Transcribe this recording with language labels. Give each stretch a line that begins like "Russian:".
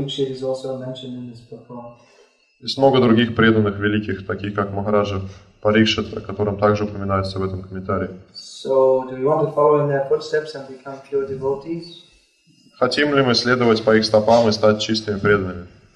Russian: И много других преданных великих, таких как Махараджа Парикшит, о котором также упоминается в этом комментарии.
English: So, do we want to follow in their footsteps and become pure devotees?
Russian: Хотим ли мы следовать по их стопам и стать чистыми преданными?